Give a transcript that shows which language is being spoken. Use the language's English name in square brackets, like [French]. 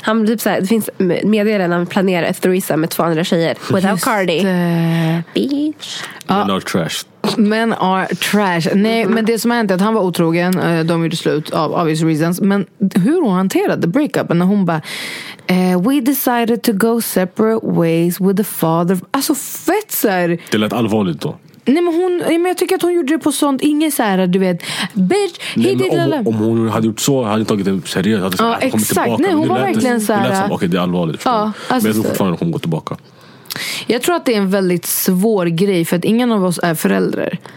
[Swedish] Han typ såhär, det finns meddelanden han planerar ett threesome med 200 tjejer. [English] Without just Cardi. Bitch. Men are trash. Men are trash. [Swedish] Nej, men det som hände är att han var otrogen. De gjorde slut av [English] obvious reasons. [Swedish] Men hur hon hanterade breakupen när hon bara... [English] we decided to go separate ways with the father. [Swedish] Alltså fett såhär. Det lät allvarligt då. Nej, men hon, men jag tycker att hon gjorde det på sånt. Ingen såhär, du vet, bitch. Nej, men om hon hade gjort så, hade tagit det seriöst. Ja, exakt. Nej, hon var verkligen såhär. Det lät som, okej, okay, det är allvarligt. Ja, alltså, men jag tror fortfarande att hon går tillbaka. Jag tror att det är en väldigt svår grej, för att ingen av oss är föräldrar.